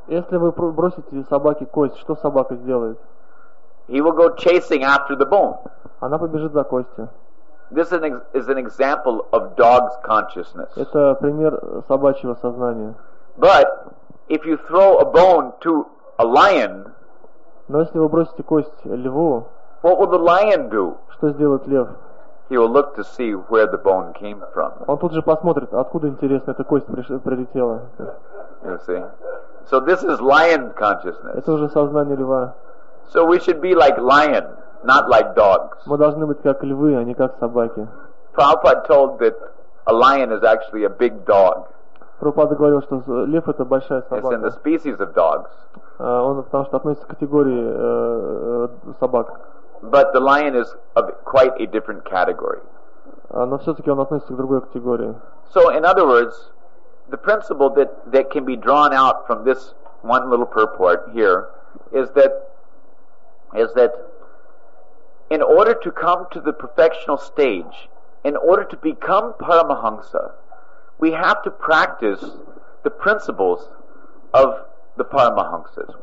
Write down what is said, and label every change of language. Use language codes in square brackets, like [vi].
[ru] Если вы бросите собаке кость, что собака сделает? [en] He will go chasing after the bone. [ru] Она побежит за костью. [en] This is an example of dog's consciousness. [ru] Это пример собачьего сознания. [en] But if you throw a bone to a lion, [ru] но если вы бросите кость льву, [en] what will the lion do? [ru] Что сделает лев? [en] He will look to see where the bone came from. [ru] Он тут же посмотрит, откуда, интересно, эта кость прилетела. [en] You see? So this is lion consciousness. [ru] Это уже сознание льва. [en] So we should be like lion, not like dogs. [ru] Мы должны быть как львы, а не как собаки. [en] Prabhupada told that a lion is actually a big dog. [ru] Prabhupada говорил, что лев это большая собака. [en] It's in the species of dogs. [ru] Он потому что относится к категории собак. [en] But the lion is of quite a different category. [ru] Но все-таки он относится к другой категории. [en] So in other words, the principle that can be drawn out from this one little purport here is that in order to come to the perfectional stage, in order to become Paramahamsa, we have to practice the principles of the Paramahamsas.